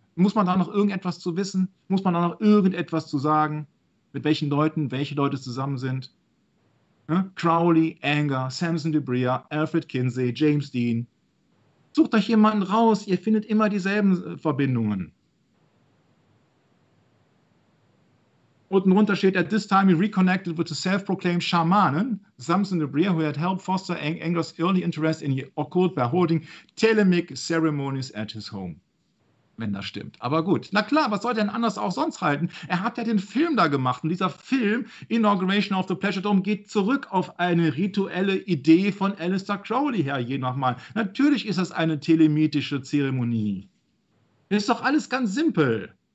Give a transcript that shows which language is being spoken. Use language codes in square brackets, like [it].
[de] Muss man da noch irgendetwas zu wissen? Muss man da noch irgendetwas zu sagen? Mit welchen Leuten, welche Leute zusammen sind? Ja? Crowley, Anger, Samson DeBrea, Alfred Kinsey, James Dean. Sucht euch jemanden raus, ihr findet immer dieselben Verbindungen. Unten drunter steht, [en] at this time he reconnected with the self-proclaimed Shamanen, Samson DeBrea, who had helped foster Anger's early interest in the occult by holding telemic ceremonies at his home. [de] Wenn das stimmt. Aber gut. Na klar, was soll denn anders auch sonst halten? Er hat ja den Film da gemacht. Und dieser Film, Inauguration of the Pleasure Dome, geht zurück auf eine rituelle Idee von Aleister Crowley her, je nochmal. Natürlich ist das eine telemitische Zeremonie. Ist doch alles ganz simpel.